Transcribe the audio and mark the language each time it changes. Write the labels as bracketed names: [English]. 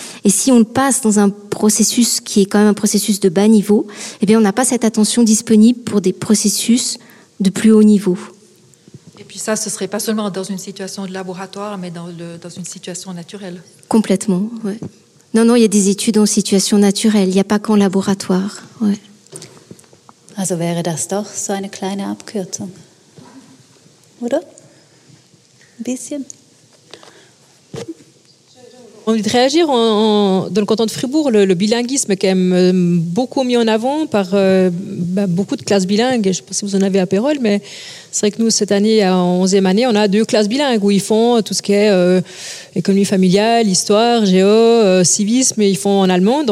[French] Et si on le passe dans un processus qui est quand même un processus de bas niveau, eh bien, on n'a pas cette attention disponible pour des processus de plus haut niveau. Et puis ça, ce serait pas seulement dans une situation de laboratoire, mais dans une situation naturelle. Complètement, ouais. Non, non, il y a des études en situation naturelle. Il n'y a pas qu'en laboratoire, ouais. [German] Also wäre das doch so eine kleine Abkürzung, oder? Ein bisschen. [French] On veut réagir dans le canton de Fribourg, le bilinguisme est quand même beaucoup mis en avant par beaucoup de classes bilingues. Je ne sais pas si vous en avez à Pérol, mais c'est vrai que nous, cette année, en 11e année, on a deux classes bilingues où ils font tout ce qui est économie familiale, histoire, géo, civisme, ils font en allemand.